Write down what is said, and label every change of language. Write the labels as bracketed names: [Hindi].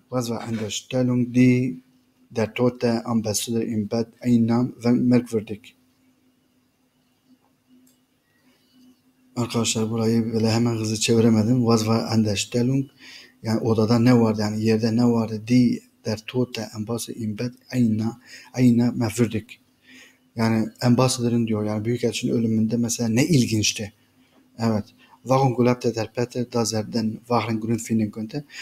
[German] Was war an der Stellung, die der tote Ambassador im Bett einnahm? Merkwürdig. [Turkish] Arkadaşlar burayı böyle hemen hızlı çeviremedim. [German] Was war an der Stellung? [Turkish] Yani odada ne vardı? Yani yerde ne vardı? [German] Die der tote Ambassador im Bett einnahm? Merkwürdig. [Turkish] Yani Ambassador'ın diyor. Yani Büyükelçinin ölümünde mesela ne ilginçti. Evet. [German] Warum glaubte der Peter, dass er den wahren Grund finden könnte?